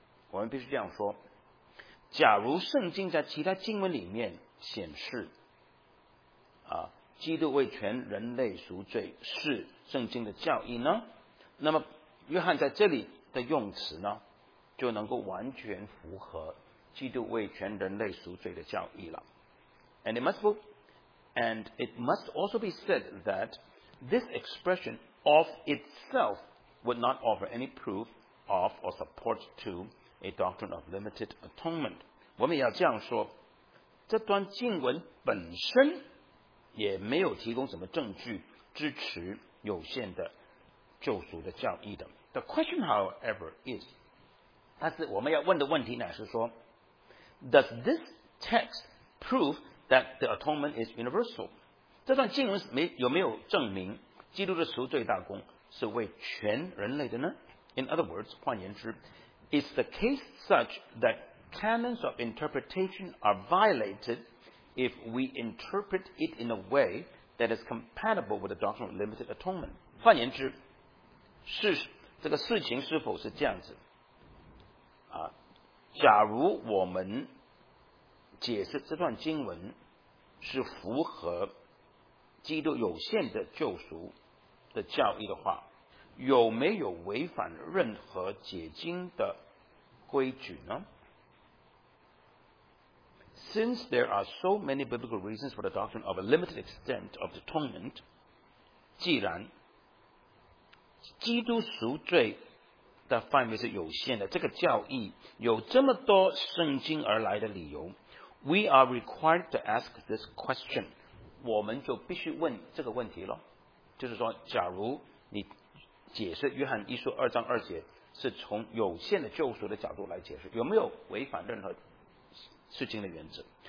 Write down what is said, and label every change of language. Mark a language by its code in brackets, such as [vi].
[zh] 我们必须这样说，假如圣经在其他经文里面显示基督为全人类赎罪是圣经的教义呢，那么约翰在这里的用词呢就能够完全符合基督为全人类赎罪的教义了。 [en] And it must also be said that this expression of itself would not offer any proof of or support to a doctrine of limited atonement. [zh] 我们也要这样说，这段经文本身也没有提供什么证据支持有限的救赎的教义的。 [en] The question, however, is, [zh] 但是我们要问的问题乃是说， [en] Does this text prove that the atonement is universal? [zh] 这段经文有没有证明基督的赎罪大功是为全人类的呢？ [en] In other words, [zh] 换言之， [en] Is the case such that canons of interpretation are violated if we interpret it in a way that is compatible with the doctrine of limited atonement? [zh] 换言之，这个事情是否是这样子？假如我们解释这段经文是符合基督有限的救赎的教义的话，有没有违反任何解经的规矩呢？ [en] Since there are so many biblical reasons for the doctrine of a limited extent of the atonement, [zh] 既然基督赎罪的范围是有限的，这个教义有这么多圣经而来的理由， [en] we are required to ask this question. [zh] 我们就必须问这个问题了，就是说假如你解释约翰一书二章二节是从有限的救赎的角度来解释，有没有违反任何事情的原则？